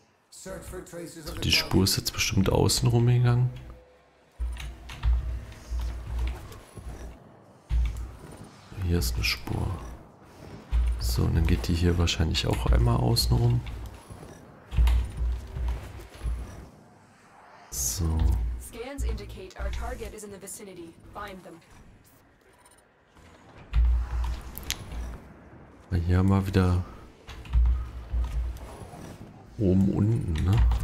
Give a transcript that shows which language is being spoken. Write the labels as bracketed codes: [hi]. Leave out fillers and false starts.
[de] So, die Spur ist jetzt bestimmt außen rum gegangen. Hier ist eine Spur. So, und dann geht die hier wahrscheinlich auch einmal außen rum. So. [en] Scans indicate our target is in the vicinity. Find them. [de] Hier haben wir wieder oben unten, ne?